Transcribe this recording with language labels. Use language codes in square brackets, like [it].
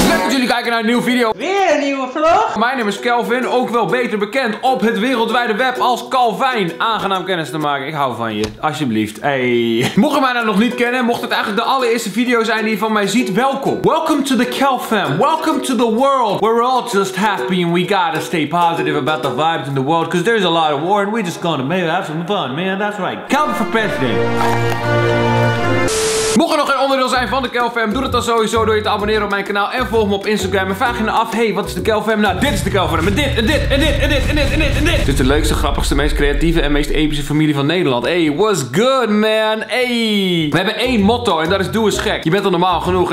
[nl] Jullie kijken naar een nieuwe video. Weer een nieuwe vlog. Mijn naam is Kelvin, ook wel beter bekend op het wereldwijde web als Calvin. Aangenaam kennis te maken. Ik hou van je. Alsjeblieft. Hey. Mocht je mij nou nog niet kennen, mocht het eigenlijk de allereerste video zijn die je van mij ziet, welkom. [en] Welcome to the Kelfam. Welcome to the world. We're all just happy and we gotta stay positive about the vibes in the world. Cause there's a lot of war and we just gonna maybe have some fun, man. That's right. Kelvin for president. [nl] Mocht je nog geen onderdeel zijn van de Kelfam, doe dat dan sowieso door je te abonneren op mijn kanaal en volg me op Instagram. En vraag je me af, hey, wat is de Kelfam? Nou, dit is de Kelfam. En dit, en dit, en dit, en dit, en dit, en dit, en dit. Dit is de leukste, grappigste, meest creatieve en meest epische familie van Nederland. [en] Hey, what's good, man? [nl] Hey. We hebben één motto en dat is doe eens gek. Je bent al normaal genoeg.